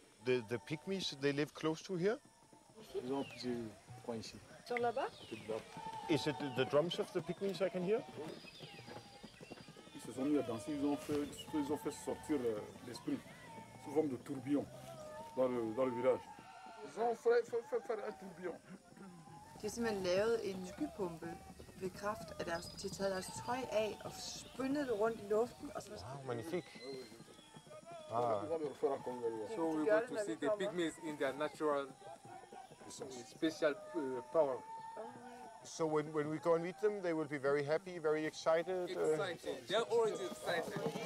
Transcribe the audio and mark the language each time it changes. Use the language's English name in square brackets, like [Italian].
[English] The Pygmies, they live close to here? [French] Ils ont plus de coin ici. Sur là-bas? [English] Is it the drums of the Pygmies I can hear? [French] Oui. Ils se sont mis à danser, ils ont fait sortir l'esprit sous forme de tourbillon. Dans le village. Ils ont fait un tourbillon. [Danish] De har simpelthen lavet en skypumpe ved kraft af deres, de har taget deres tøj af og spyndet det rundt i luften. Og så... Wow, magnifik. [English] So we want to see the pygmies in their natural, special power. So when we go and meet them, they will be very happy, very excited. Excited. They're always excited.